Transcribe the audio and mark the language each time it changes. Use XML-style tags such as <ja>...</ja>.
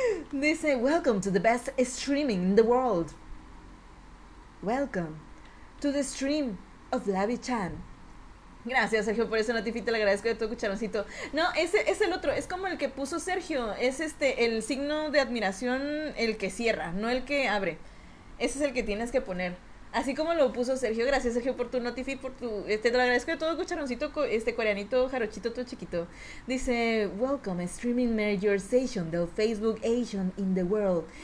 <en>Dice, welcome to the best streaming in the world. Welcome to the stream of Lavi Chan.</en> <es>Gracias, Sergio, por eso notifico, te lo agradezco de todo cucharoncito. No, ese es el otro, es como el que puso Sergio, es el signo de admiración, el que cierra, no el que abre. Ese es el que tienes que poner. Así como lo puso Sergio, gracias, Sergio, por tu notifi, por tu te lo agradezco de todo cucharoncito, coreanito, jarochito, todo chiquito.</es> <en>Dice, "Welcome streaming major station del Facebook Asian in the world.</en>